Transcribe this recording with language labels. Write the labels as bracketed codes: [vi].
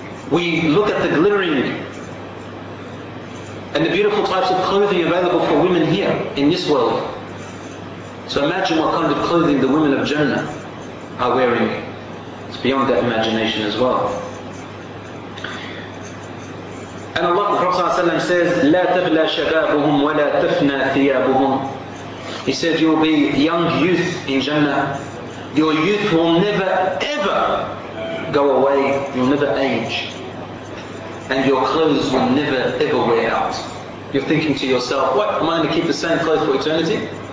[en] We look at the glittering and the beautiful types of clothing available for women here in this world. So imagine what kind of clothing the women of Jannah are wearing. It's beyond that imagination as well. And Allah, the Prophet ﷺ says, [ar] لَا تَبْلَى شَبَابُهُمْ وَلَا تَفْنَى ثِيَابُهُمْ. [en] He said, you'll be young youth in Jannah. Your youth will never ever go away. You'll never age. And your clothes will never ever wear out. You're thinking to yourself, what, am I going to keep the same clothes for eternity?